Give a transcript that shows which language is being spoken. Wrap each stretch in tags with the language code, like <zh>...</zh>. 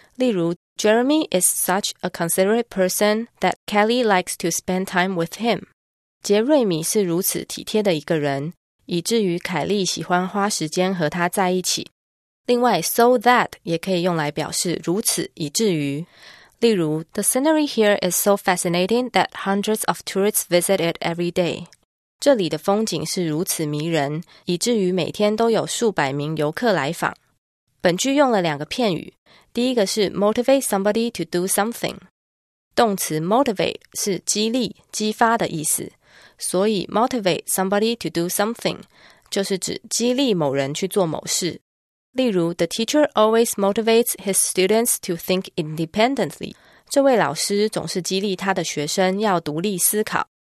<en>例如 Jeremy is such a considerate person that Kelly likes to spend time with him.</en> <zh>杰瑞米是如此体贴的一个人，以至于凯莉喜欢花时间和他在一起。另外 ,so that 也可以用来表示如此以至于。</zh> <en>例如 ,the scenery here is so fascinating that hundreds of tourists visit it every day.</en> <zh>这里的风景是如此迷人，以至于每天都有数百名游客来访。本句用了两个片语，第一个是 motivate somebody to do something。动词 motivate 是激励、激发的意思。所以 motivate somebody to do something 就是指激励某人去做某事。</zh> <en>例如 The teacher always motivates his students to think independently.</en> <zh>这位老师总是激励他的学生要独立思考。</zh>